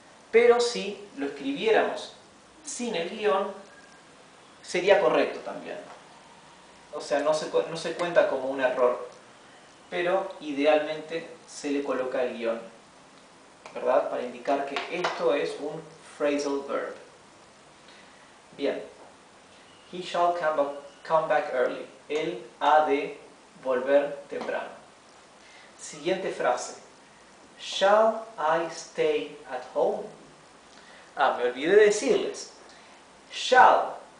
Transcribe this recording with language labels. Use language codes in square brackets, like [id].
[es] Pero si lo escribiéramos sin el guión, sería correcto también. O sea, no se cuenta como un error. Pero idealmente se le coloca el guión, ¿verdad? Para indicar que esto es un phrasal verb. Bien. [en] He shall come back early. [es] Él ha de volver temprano. Siguiente frase. [en] Shall I stay at home? [es] Ah, me olvidé de decirles. Shall.